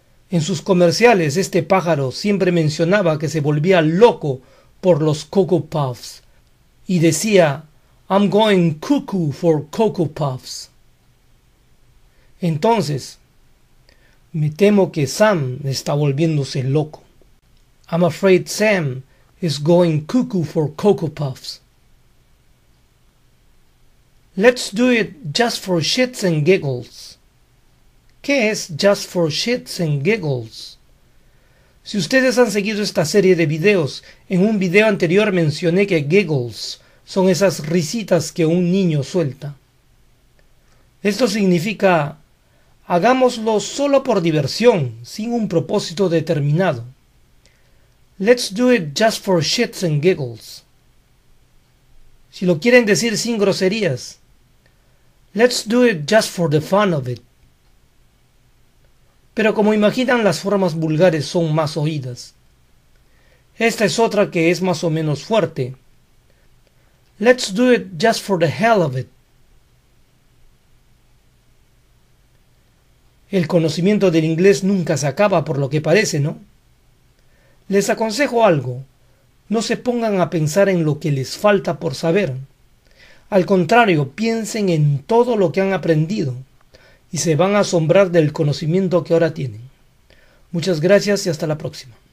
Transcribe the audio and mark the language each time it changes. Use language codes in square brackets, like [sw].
[es] En sus comerciales, este pájaro siempre mencionaba que se volvía loco por los Cocoa Puffs y decía, [en] I'm going cuckoo for Cocoa Puffs. [es] Entonces, me temo que Sam está volviéndose loco. [en] I'm afraid Sam is going cuckoo for Cocoa Puffs. Let's do it just for shits and giggles. [es] ¿Qué es [en] just for shits and giggles? [es] Si ustedes han seguido esta serie de videos, en un video anterior mencioné que giggles son esas risitas que un niño suelta. Esto significa, hagámoslo solo por diversión, sin un propósito determinado. [en] Let's do it just for shits and giggles. [es] Si lo quieren decir sin groserías, [en] let's do it just for the fun of it. [es] Pero como imaginan, las formas vulgares son más oídas. Esta es otra que es más o menos fuerte. [en] Let's do it just for the hell of it. [es] El conocimiento del inglés nunca se acaba, por lo que parece, ¿no? Les aconsejo algo. No se pongan a pensar en lo que les falta por saber. Al contrario, piensen en todo lo que han aprendido y se van a asombrar del conocimiento que ahora tienen. Muchas gracias y hasta la próxima.